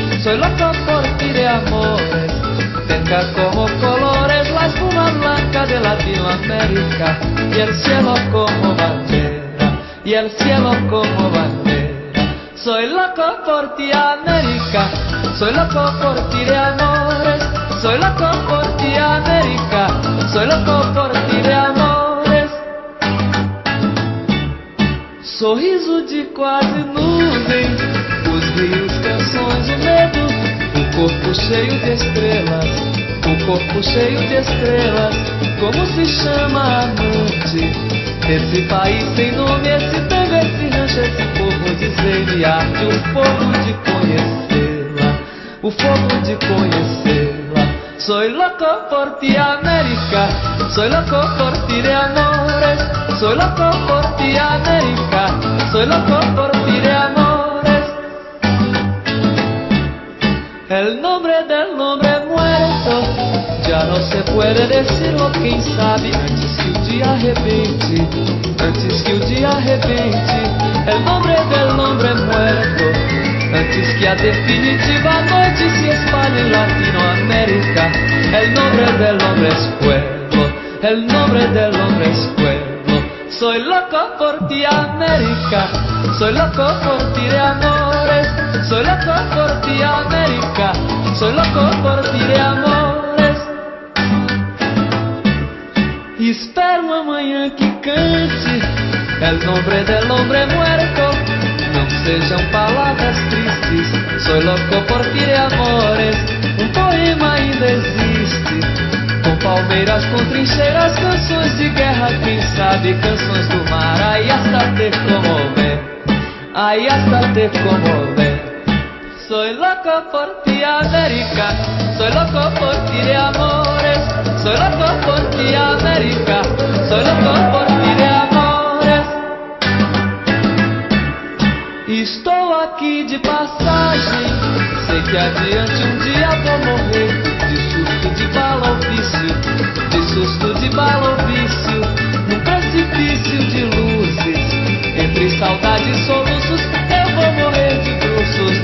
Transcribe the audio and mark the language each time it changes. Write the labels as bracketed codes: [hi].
[es] Soy loco por ti de amores, tenga como colores la espuma blanca de Latinoamérica, y el cielo como bandera, y el cielo como bandera. Soy loco por ti, América, soy loco por ti de amores. Soy loco por ti, América, soy loco por ti de amores. [pt] Sorriso de quase nuvem, os rios canções de medo, o corpo cheio de estrelas, o corpo cheio de estrelas. Como se chama a noite? Esse país sem nome, esse tango, esse rancho, esse povo de ser e arte, o fogo de conhecê-la, o fogo de conhecê-la. [es] Soy loco por ti, América, soy loco por ti de amores. Soy loco por ti, América, soy loco por ti de amores. El nombre del nombre muerto, ya no se puede decirlo, quién sabe, antes que un día arrepente, antes que un día arrepente. El nombre del nombre muerto, antes que a definitiva noche se espalhe en Latinoamérica. El nombre del hombre es fuego, el nombre del hombre es fuego. Soy loco por ti, América, soy loco por ti de amores. Soy loco por ti, América, soy loco por ti de amores. Espero una mañana que cante el nombre del hombre muerto. [pt] Sejam palavras tristes, [es] soy loco por ti de amores. [pt] Um poema ainda existe, com palmeiras, com trincheiras, canções de guerra, quem sabe, canções do mar. [es] Ai, hasta te comover, ai, hasta te comover. Soy loco por ti, América, soy loco por ti de amores. Soy loco por ti, América, soy loco por ti de amores. [pt] Estou aqui de passagem, sei que adiante um dia vou morrer. De susto de bala ou vício, de susto de bala ou vício. Num precipício de luzes, entre saudade e soluços, eu vou morrer de bruços.